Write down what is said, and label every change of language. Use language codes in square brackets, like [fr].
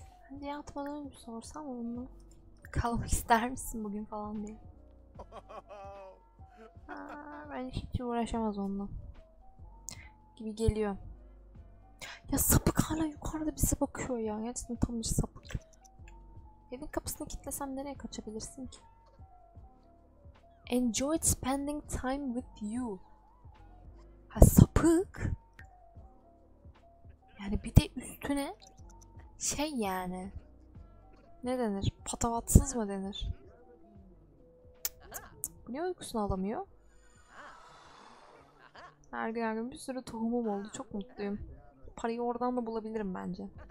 [tr] Hadi yatmadan önce sorsam onu. Kalmak ister misin bugün falan diye. Aa, ben hiç uğraşamaz onunla. Gibi geliyor. Ya sapık hala yukarıda bize bakıyor ya. Gerçekten tam bir sapık. Evin kapısını kilitlesem nereye kaçabilirsin ki? [en] Enjoy spending time with you. [tr] Ha sapık. Yani bir de üstüne şey yani. Ne denir? Patavatsız mı denir? Niye uykusunu alamıyor? Her gün her gün bir sürü tohumum oldu. Çok mutluyum. Parayı oradan da bulabilirim bence.